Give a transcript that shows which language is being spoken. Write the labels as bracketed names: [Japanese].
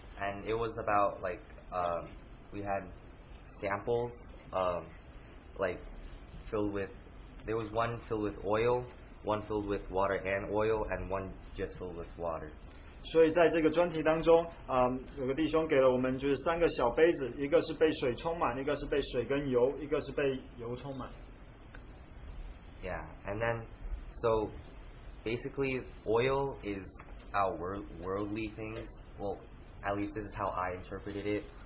[English] and it was about like we had samples like filled with, there was one filled with oil, one filled with water and oil, and one just filled with water. [Chinese] 所以在这个专题当中, 有个弟兄给了我们就是三个小杯子, 一个是被水充满, 一个是被水跟油, 一个是被油充满。 [English] Yeah, and then, so basically oil is our worldly things. Well, at least this is how I interpreted it.